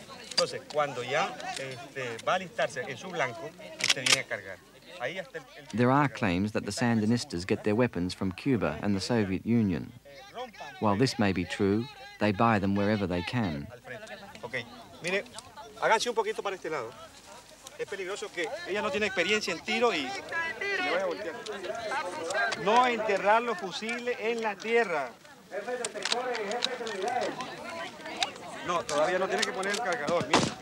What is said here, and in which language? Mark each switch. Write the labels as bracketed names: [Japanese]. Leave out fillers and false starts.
[Spanish] Entonces, cuando ya va a alistarse en su blanco, usted viene a cargar. [English] There are claims that the Sandinistas get their weapons from Cuba and the Soviet Union. While this may be true, they buy them wherever they can. [Spanish] Okay. Mire, háganse un poquito para este lado. Es peligroso que ella no tiene experiencia en tiro y no enterrar los fusiles en la tierra. Jefe de sectores y jefe de unidades. No, todavía no tiene que poner el cargador, mire.